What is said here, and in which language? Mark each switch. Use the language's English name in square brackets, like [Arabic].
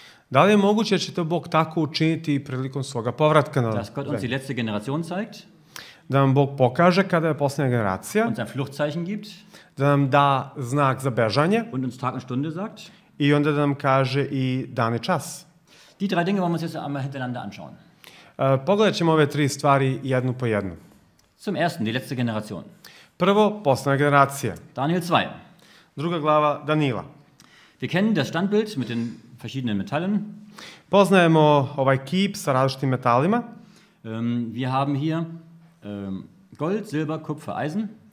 [Serbian] Da li je moguće da će to Bog tako učiniti prilikom svoga povratka na [German] zemlju? Dass Gott uns die letzte Generation zeigt. [Serbian] Da nam Bog pokaže kada je posljednja generacija. [German] Uns ein Fluchtzeichen gibt. [Serbian] Da nam da znak za bežanje. [German] Und uns Tag und Stunde sagt. [Serbian] I onda da nam kaže i dan i čas. [German] Die drei Dinge wollen wir uns jetzt einmal hintereinander anschauen. [Serbian] Pogledat ćemo ove tri stvari jednu po jednu. [German] Zum ersten, die letzte Generation. [Serbian] Prvo, posljednja generacija. [German] Daniel 2. [Serbian] Druga glava, Danila. [German] Wir kennen das Standbild mit den verschiedenen Metallen. [Serbian] Poznajemo ovaj kip sa različitim metalima. [German] Wir haben hier Gold, Silber, Kupfer, Eisen.